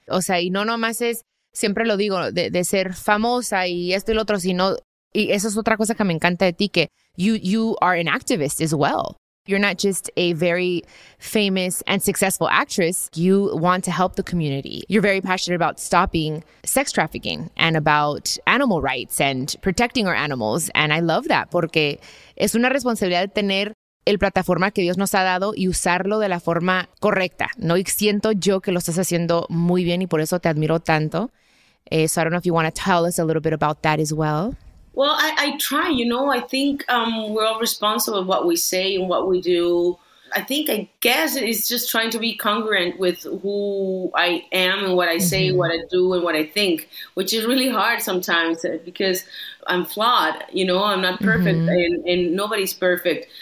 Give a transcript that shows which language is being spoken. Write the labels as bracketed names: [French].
[Spanish] O sea, y no nomás es, siempre lo digo, de ser famosa y esto y lo otro, sino, y eso es otra cosa que me encanta de ti, que [English] you are an activist as well. You're not just a very famous and successful actress. You want to help the community. You're very passionate about stopping sex trafficking and about animal rights and protecting our animals. And I love that [Spanish] porque es una responsabilidad de tener el plataforma que Dios nos ha dado y usarlo de la forma correcta. No, y siento yo que lo estás haciendo muy bien y por eso te admiro tanto. [English] So I don't know if you want to tell us a little bit about that as well. Well, I try, you know. I think we're all responsible for what we say and what we do. I guess it's just trying to be congruent with who I am and what I say, what I do and what I think, which is really hard sometimes because I'm flawed, you know, I'm not perfect and nobody's perfect.